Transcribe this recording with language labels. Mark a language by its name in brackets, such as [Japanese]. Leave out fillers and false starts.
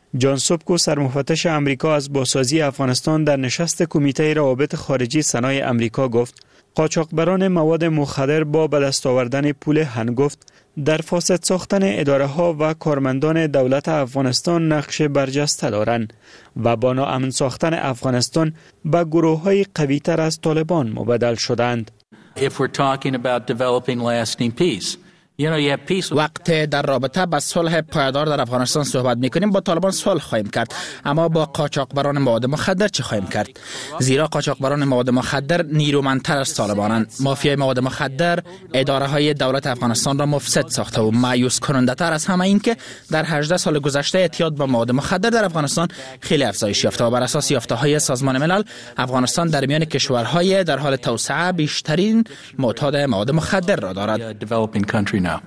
[Persian] جان سپکو، سرمفتش آمریکا از بازسازی افغانستان، در نشست کمیته روابط خارجی ثنای آمریکا گفت قاچاقبران مواد مخدر با به دست آوردن پول هنگفت در فاسد ساختن اداره ها و کارمندان دولت افغانستان نقش برجسته دارند و با ناامن ساختن افغانستان به گروه های قوی تر از طالبان مبدل شدند. [English] If we're talking about developing lasting peace, you know, you have peace. [Persian] وقت در رابطه با صلح پایدار در افغانستان صحبت میکنیم، با طالبان صلح خواهیم کرد، اما با قاچاقبران مواد مخدر چه خواهیم کرد؟ زیرا قاچاقبران مواد مخدر نیرومندتر از طالبانند. مافیای مواد مخدر اداره های دولت افغانستان را مفسد ساخته و مایوس کننده تر از همه این که در 18 سال گذشته اعتیاد به مواد مخدر در افغانستان خیلی افزایش یافته و بر اساس یافته های سازمان ملل افغانستان در میان کشورهای در حال توسعه بیشترین معتاد مواد مخدر را دارد.